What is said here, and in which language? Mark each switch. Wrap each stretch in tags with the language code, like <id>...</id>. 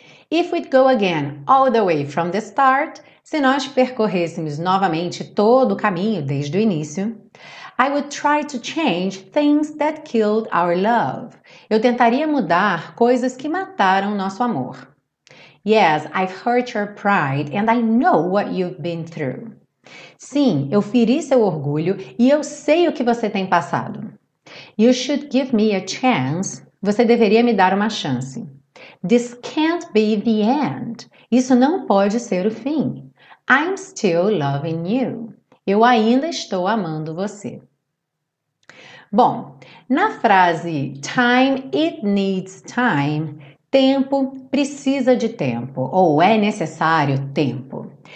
<en>If we'd go again all the way from the start,</en> <pt>se nós percorrêssemos novamente todo o caminho desde o início,</pt> <en>I would try to change things that killed our love.</en> <pt>Eu tentaria mudar coisas que mataram nosso amor.</pt> <en>Yes, I've hurt your pride and I know what you've been through.</en> <pt>Sim, eu feri seu orgulho e eu sei o que você tem passado.</pt> <en>You should give me a chance.</en> <pt>Você deveria me dar uma chance.</pt> <en>This can't be the end.</en> <pt>Isso não pode ser o fim.</pt> <en>I'm still loving you.</en> <pt>Eu ainda estou amando você. Bom, na frase</pt> <en>time, it needs time,</en> <pt>tempo precisa de tempo, ou é necessário tempo.</pt>